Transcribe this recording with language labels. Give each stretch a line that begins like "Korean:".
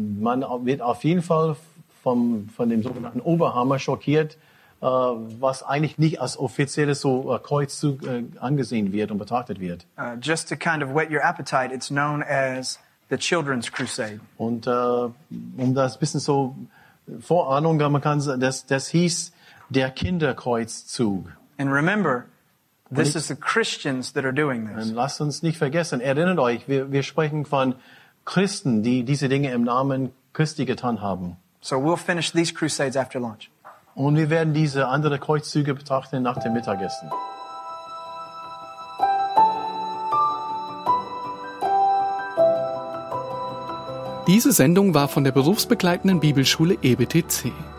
German: Man wird auf jeden Fall von dem sogenannten Oberhammer schockiert, was eigentlich nicht als offizielles so Kreuzzug angesehen wird und betrachtet wird.
English: Just to kind of whet your appetite, it's known as the Children's Crusade.
German: Und um das bisschen so Vorahnung, man kann sagen, das hieß der Kinderkreuzzug.
English: And remember, this is the Christians that are doing this.
German: Und lasst uns nicht vergessen, erinnert euch, wir sprechen von Christen, die diese Dinge im Namen Christi getan haben.
English: So we'll finish these crusades after lunch.
German: Und wir werden diese andere Kreuzzüge betrachten nach dem Mittagessen. Diese Sendung war von der berufsbegleitenden Bibelschule EBTC.